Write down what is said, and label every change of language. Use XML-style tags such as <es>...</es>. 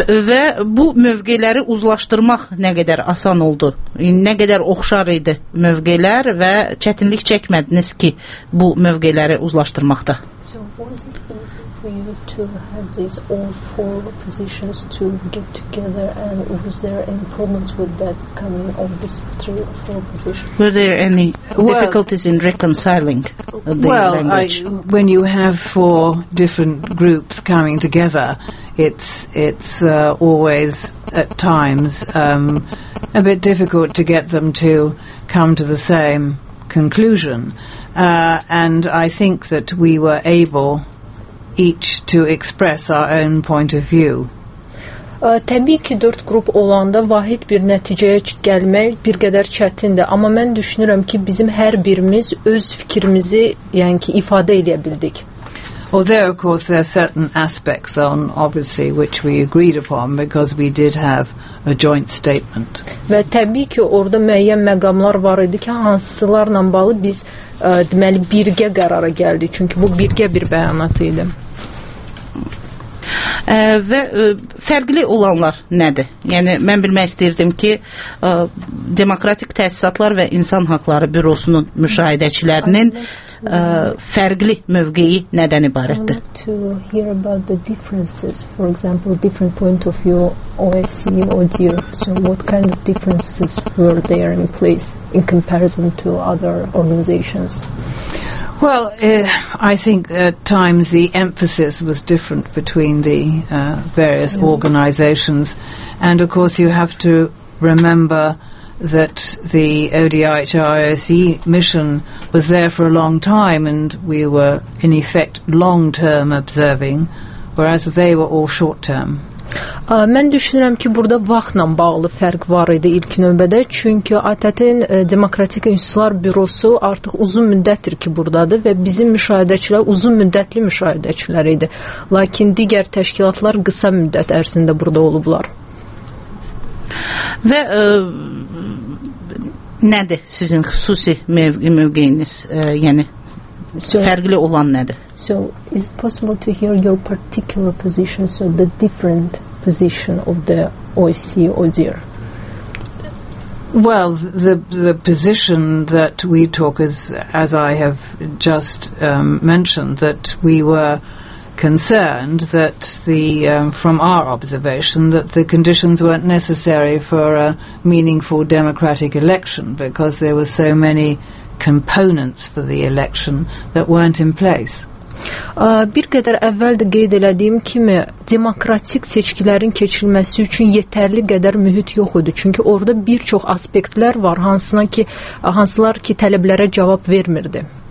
<az>Və bu mövqeləri uzlaşdırmaq nə qədər asan oldu? Nə qədər oxşar idi mövqelər və çətinlik çəkmədiniz ki, bu mövqeləri uzlaşdırmaqda?</az> <en>Were there any difficulties in reconciling the language? When you have four different groups coming together, it's always at times a bit difficult to get them to come to the same conclusion. And I think that we were able each to express our own point of view.</en> <az>Təbii ki, 4 qrup olanda vahid bir nəticəyə gəlmək bir qədər çətindir. Amma mən düşünürəm ki, bizim hər birimiz öz fikrimizi, yəni ki, ifadə edə bildik.</az> <en>Although, of course, there are certain aspects on, obviously, which we agreed upon because we did have a joint statement.</en> <az>Və təbii ki, orada müəyyən məqamlar var idi ki, hansılarla bağlı biz, deməli, birgə qərara gəldik. Çünki bu birgə bir bəyanat idi. Və fərqli olanlar nədir? Yəni, mən bilmək istəyirdim ki, Demokratik Təsisatlar və İnsan Haqları Bürosunun müşahidəçilərinin fərqli mövqeyi nədən ibarətdir?</az> <en>I'd like to hear about the differences, for example, different point of view, OSC, ODIHR. So what kind of differences were there in place in comparison to other organizations? Well, I think at times the emphasis was different between the various organizations. And of course you have to remember that the ODIHR-OSCE mission was there for a long time and we were in effect long-term observing, whereas they were all short-term.</en> <az>Mən düşünürəm ki, burada vaxtla bağlı fərq var idi ilk növbədə, çünki ATƏT-in Demokratik İnstitutlar Bürosu artıq uzun müddətdir ki, buradadır və bizim müşahidəçilər uzun müddətli müşahidəçilər idi. Lakin digər təşkilatlar qısa müddət ərzində burada olublar. Və nədir sizin xüsusi mövqeyiniz, yəni? So, fərqli olan nədir?</az> <en>So, is it possible to hear your particular position, so the different position of the OSC or ODIHR? Well, the position that we took is, as I have just mentioned, that we were concerned that the from our observation that the conditions weren't necessary for a meaningful democratic election because there were so many components for the election that weren't in place.</en> <az>Bir qədər əvvəl də qeyd elədiyim kimi, demokratik seçkilərin keçirilməsi üçün yetərli qədər mühit yox idi. Çünki orada bir çox aspektlər var, hansılar ki tələblərə cavab vermirdi.</az>